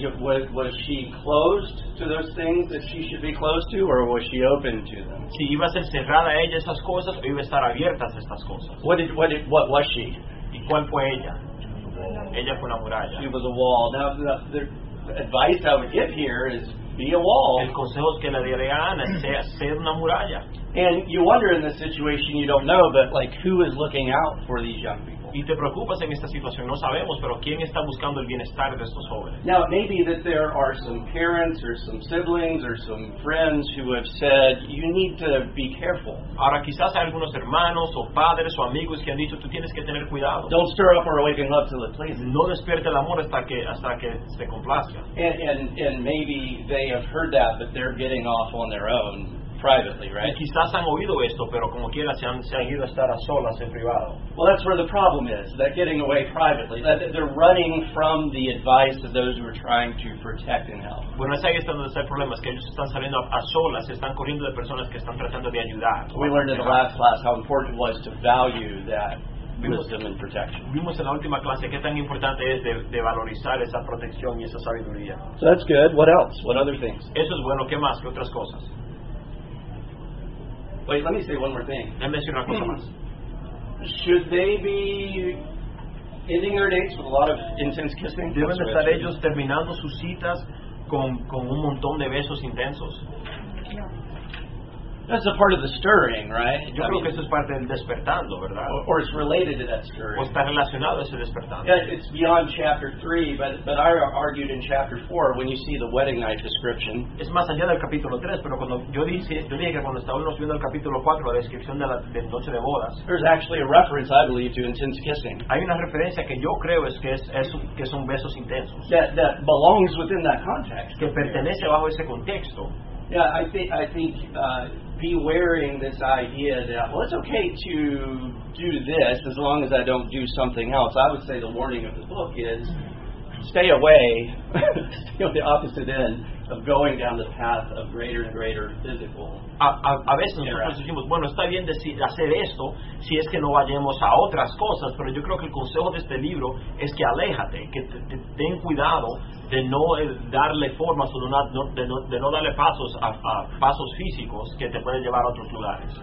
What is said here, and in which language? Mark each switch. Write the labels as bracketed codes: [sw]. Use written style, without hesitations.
[en] Was she closed to those things that she should be closed to, or was she open to them? [es] Si iba a ser cerrada a ella esas cosas, o iba a estar abierta a estas cosas. [en] What was she? [es] ¿Y cuál fue ella? Ella fue una muralla. [en] She was a wall. Now the advice I would give here is be a wall. [es] El consejo que le daría a Ana sea ser una muralla. [en] And you wonder in this situation, you don't know, but like who is looking out for these young people? [es] Y te preocupas en esta situación, no sabemos, pero ¿quién está buscando el bienestar de estos jóvenes? [en] Now, maybe that there are some parents or some siblings or some friends who have said, you need to be careful. [es] Ahora, quizás hay algunos hermanos o padres o amigos que han dicho, tú tienes que tener cuidado. [en] Don't stir up or awaken love till it pleases. [es] No despierte el amor hasta que se complazca. [en] And maybe they have heard that, but they're getting off on their own. Privately, right? [es] Y quizás han oído esto, pero como quiera se han ido a estar a solas en privado. [en] Well, that's where the problem is, that getting away privately. That they're running from the advice of those who are trying to protect and help. [es] Bueno, es ahí está donde está el problema, es que ellos están saliendo a solas, están corriendo de personas que están tratando de ayudar. [en] We learned in the last class how important it was to value that wisdom and protection. [es] Vimos en la última clase qué tan importante es de valorizar esa protección y esa sabiduría. [en] So that's good. What else? What other things? [es] Eso es bueno. ¿Qué más? ¿Qué otras cosas? [en] Wait, let me say one more thing. [es] Déjame decir una cosa más. [en] Should they be ending their dates with a lot of intense kissing? [es] ¿Deben estar ellos terminando sus citas con un montón de besos intensos? [en] No. That's a part of the stirring, right? [es] Que eso es parte del despertando, ¿verdad? [en] Or it's related to that stirring. [es] O está relacionado a ese despertando. [en] Yeah, it's beyond chapter 3, but I argued in chapter 4 when you see the wedding night description. [es] Es más allá del capítulo 3, pero cuando yo dije que cuando estábamos viendo el capítulo 4, la descripción de la noche de bodas. [en] There's actually a reference, I believe, to intense kissing. [es] Hay una referencia que yo creo es que son besos intensos. [en] That belongs within that context. [es] Que pertenece bajo ese contexto. [en] Yeah, I think be wearing this idea that, well, it's okay to do this as long as I don't do something else. I would say the warning of the book is stay away, stay on the opposite end of going down the path of greater and greater physical. [es] A veces nosotros decimos, bueno, está bien decir hacer esto si es que no vayamos a otras cosas, pero yo creo que el consejo de este libro es que aléjate, que ten cuidado de no darle formas o de no darle pasos a pasos físicos que te pueden llevar a otros lugares.